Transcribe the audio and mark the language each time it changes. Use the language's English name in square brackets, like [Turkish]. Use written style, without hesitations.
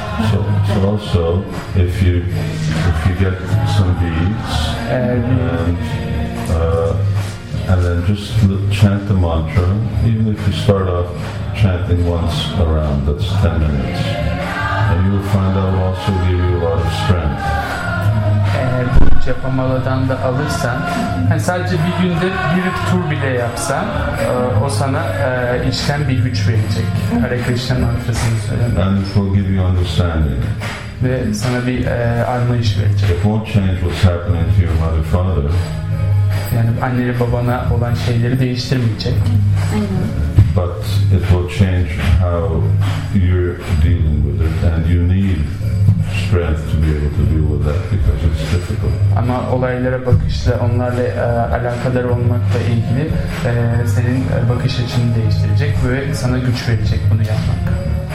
[English] So also, if you get some beads and then just chant the mantra, even if you start off chanting once around, that's 10 minutes. And you will find that will also give you a lot of strength. [Turkish] Bu Japa Mala'dan da alırsan, yani sadece bir günde bir tur bile yapsan, o sana içten bir güç verecek. Hare Krishna mantrasını söylemek. [English] And will give you understanding. [Turkish] Ve sana bir anlayış verecek. [English] It won't change what's happening to your mother, father. [Turkish] Yani annene babana olan şeyleri değiştirmeyecek. [English] But it will change how you're dealing with it, and you need strength to be able to deal with that because it's difficult. [Turkish] Ama olaylara bakışla, onlarla alakadar olmakla ilgili senin bakış açını değiştirecek ve sana güç verecek bunu yapmak.